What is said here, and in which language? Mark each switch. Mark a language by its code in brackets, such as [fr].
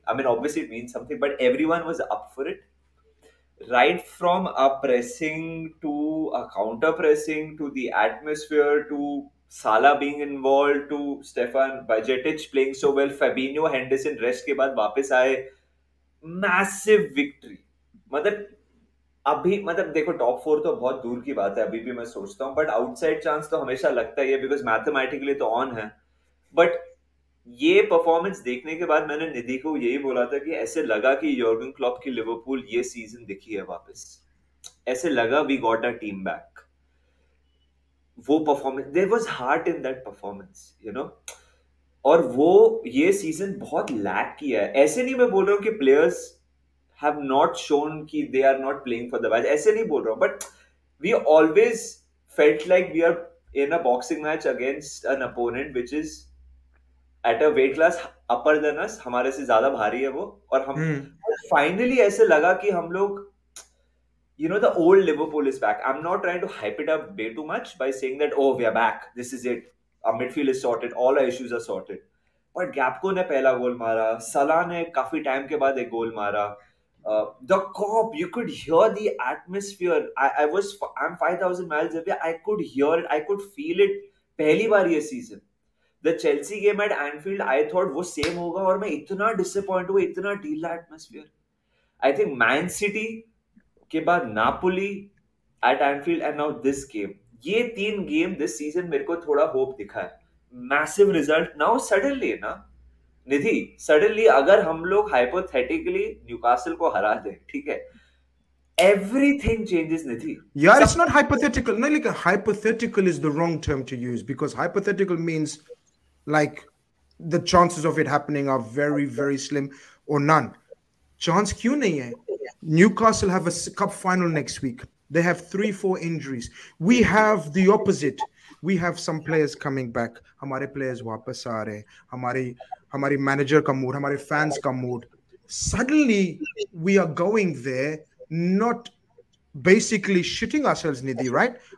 [en] I mean, obviously it means something, but everyone was up for it. Right from a pressing to a counter-pressing to the atmosphere to Salah being involved to Stefan Bajetic playing so well, Fabinho Henderson [hi] rest ke baad wapis aaye, [en] massive victory. [hi] मतलब देखो top four तो बहुत दूर की बात है अभी भी मैं सोचता हूँ, बट आउटसाइड चांस तो हमेशा लगता ही है बिकॉज मैथमेटिकली तो ऑन है. बट ये परफॉर्मेंस देखने के बाद मैंने निधि को यही बोला था कि ऐसे लगा कि योर्गन क्लॉप की लिवरपूल ये सीजन दिखी है वापस, ऐसे लगा [en] We got a team back. वो performance, there was heart in that performance, you know, [hi] और वो ये सीजन बहुत लैक किया है. ऐसे नहीं मैं बोल रहा हूँ कि [en] players have not shown कि they are not playing for the batch, [hi] ऐसे नहीं बोल रहा हूँ, [en] but we always felt like we are in a boxing match against an opponent which is at a weight class upper than us, [hi] हमारे से ज़्यादा भारी है वो, और हम finally ऐसे लगा कि हम लोग, [en] you know, the old Liverpool is back. I'm not trying to hype it up way too much by saying that oh we are back, this is it, our midfield is sorted, all our issues are sorted. [hi] But Gapko ने पहला गोल मारा, Salah ने काफी time के बाद एक गोल मारा. [en] The cop, you could hear the atmosphere. I'm 5,000 miles away. I could hear it. I could feel it. [hi] Pehli baar ye season. [en] The Chelsea game at Anfield, I thought [hi] wo same hoga. Aur main itna disappointed hua, itna [en] deal atmosphere. I think Man City, ke baad Napoli at Anfield, and now this game. [hi] Ye teen game this season mere ko thoda hope dikha hai. [en] Massive result. Now suddenly, [hi] na? Nidhi, suddenly अगर हम लोग hypothetically Newcastle को हरा दें, ठीक है, [en] Everything changes. Nidhi यार, it's not hypothetical, नहीं, like hypothetical is the wrong term to use, because hypothetical means like the chances of it happening are very very slim और none. [hi] चांस क्यों नहीं है? [en] Newcastle have a cup final next week, they have 3-4 injuries, we have the opposite, we have some players coming back, [hi] hamare players wapas aa rahe, hamari manager ka mood, [en] hamare fans ka mood, suddenly we are going there, not basically shitting ourselves, Nidhi, right?